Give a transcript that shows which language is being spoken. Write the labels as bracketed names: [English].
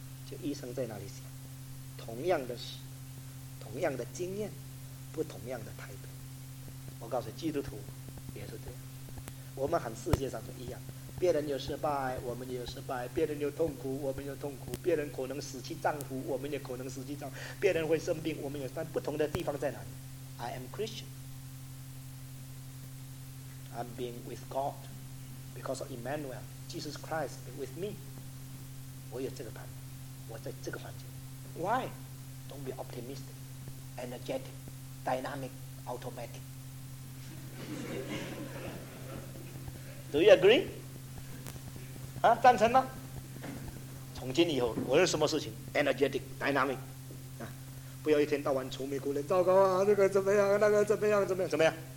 [Chinese] 就医生在那里想，同样的事，同样的经验，不同样的态度。我告诉基督徒也是这样，我们很世界上都一样，别人有失败我们也有失败，别人有痛苦我们有痛苦，别人可能死去丈夫我们也可能死去丈夫，别人会生病我们也生病。但不同的地方在哪里？ [English] I am Christian， I'm being with God because of Emmanuel Jesus Christ being with me。 [Chinese] 我有这个盼望，我在这个环境。 [English] Why? Don't be optimistic, energetic, dynamic, automatic。 Do you agree? [Chinese] 啊，赞成吗？从今以后无论什么事情 [English] energetic dynamic、 [Chinese] 啊、不要一天到晚愁眉苦脸，糟糕啊，这个怎么样，那个怎么样，怎么样怎么样。